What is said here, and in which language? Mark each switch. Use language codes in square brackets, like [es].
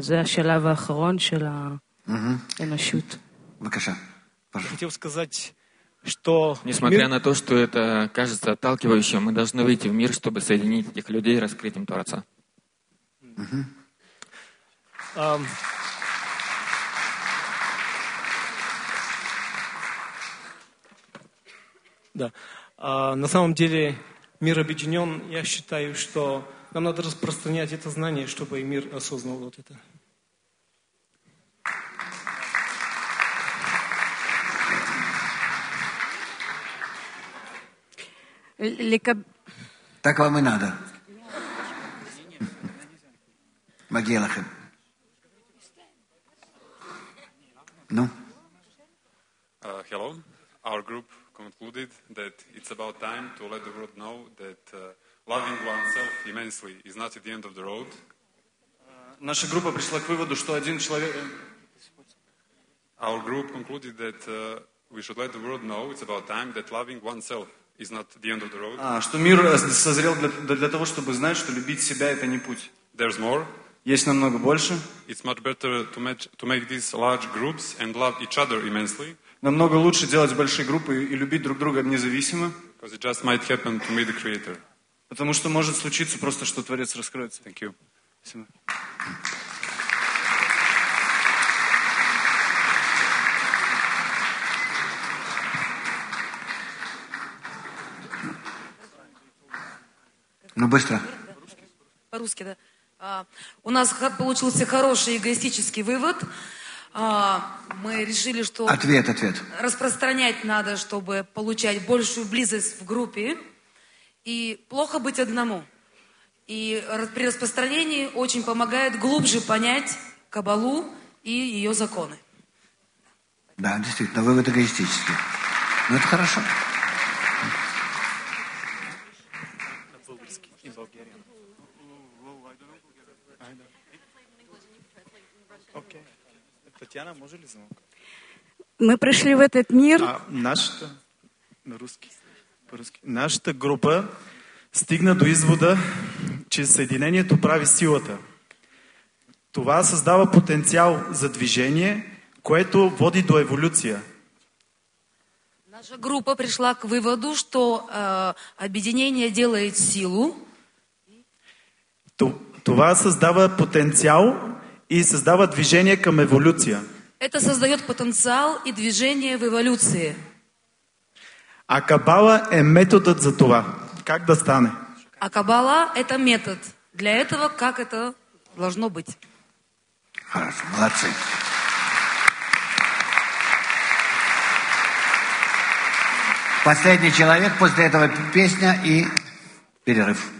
[he] זה השלב האחרון של האנושות. בבקשה. [ru] Хотел сказать, что несмотря на то, что это кажется отталкивающим, мы должны выйти в мир, чтобы соединить этих людей и раскрыть им Творца. Да. На самом деле мир объединен. Я считаю, что нам надо распространять это знание, чтобы и мир осознал вот это. Так вам и надо. Магиелахем. Ну. [en] Hello. Our group concluded that it's about time to let the world know that loving oneself immensely is not at the end of the road. [ru] Наша группа пришла к выводу, что один человек. [en] Our group concluded that we should let the world know it's about time that loving oneself is not the end of the road. [ru] А, что мир созрел для того, чтобы знать, что любить себя это не путь. [en] There's more. [ru] Есть намного больше. [en] It's much better to make these large groups and love each other immensely. [ru] Намного лучше делать большие группы и любить друг друга независимо. [en] Because it just might happen to meet the Creator. [ru] Потому что может случиться просто, что Творец раскроется. [en] Thank you. [ru] Спасибо. Ну, быстро. По-русски, да. У нас получился хороший эгоистический вывод. Мы решили, что... Ответ. Распространять надо, чтобы получать большую близость в группе. И плохо быть одному. И при распространении очень помогает глубже понять Каббалу и ее законы. Да, действительно, вывод эгоистический. Но это хорошо. Татьяна, можешь ли звонок? Мы пришли в этот мир. А наша, по-русски. [bg] Наша группа стигна до извода, че съединението прави силата. Това създава потенциал за движение, което води до еволюция. [ru] Наша группа пришла к выводу, что объединение делает силу. [bg] Това създава потенциал и създава движение към еволюция. [ru] Это создает потенциал и движение в эволюции. [bg] А Каббала е методът за това. Как да стане? [ru] А Каббала – это метод. Для этого, как это должно быть. Хорошо, молодцы. Последний человек, после этого песня и перерыв.